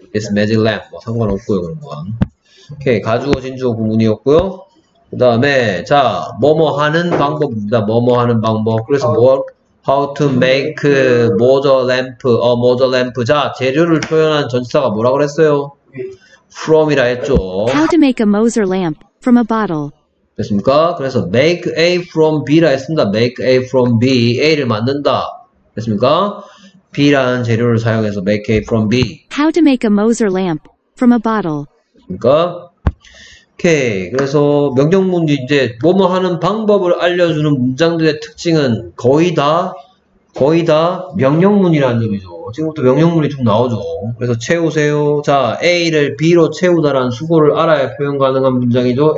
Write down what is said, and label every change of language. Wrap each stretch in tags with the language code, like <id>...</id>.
<en>This magic lamp.</en> <ko>뭐 상관없고요, 그런 건. 오케이, 가주어, 진주어 구문이었고요. 그 다음에 자 뭐뭐 하는 방법입니다. 뭐뭐 하는 방법. 그래서</ko> <en>how to make motor lamp</en> <ko>a motor lamp. 자 재료를 표현한 전치사가 뭐라고 그랬어요? From 이라 했죠.</ko> <en>How to make a Moser lamp from a bottle.</en> <ko>됐습니까? 그래서 make A from B 라 했습니다. make A from B. A를 만든다. 됐습니까? B라는 재료를 사용해서 make A from B.</ko> <en>How to make a Moser lamp from a bottle.</en> <ko>됐습니까? 오케이. 그래서 명령문이 이제 뭐뭐 하는 방법을 알려주는 문장들의 특징은 거의 다 명령문이라는 점이죠. 지금부터 명령문이 쭉 나오죠. 그래서 채우세요. 자, A를 B로 채우다라는 수고를 알아야 표현 가능한 문장이죠.</ko>